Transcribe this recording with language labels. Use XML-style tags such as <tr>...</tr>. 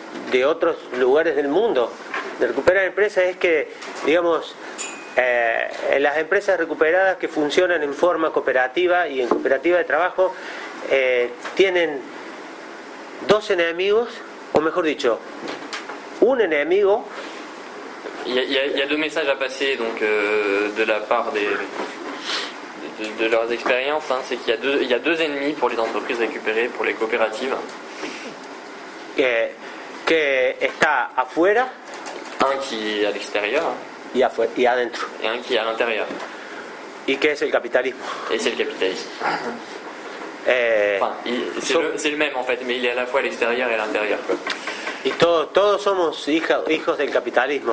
<es>de otros lugares del mundo de recuperar empresas, es que digamos las empresas recuperadas que funcionan en forma cooperativa y en cooperativa de trabajo tienen dos enemigos, o mejor dicho, un enemigo. Y hay dos mensajes a pasar,</es> <fr>donc de la part de leurs expériences, hein, c'est qu'il y a deux ennemis pour les entreprises récupérées, pour les coopératives.</fr> <es>Que está afuera,</es> <fr>un qui est à l'extérieur,</fr> <es>y adentro,</es> <fr>et un qui est à l'intérieur.</fr> <es>Y que es el capitalismo.</es> <fr>Et c'est le capitalisme. C'est le même en fait, mais il est à la fois à l'extérieur et à l'intérieur.</fr> <es>Y todos somos hijos del capitalismo.</es>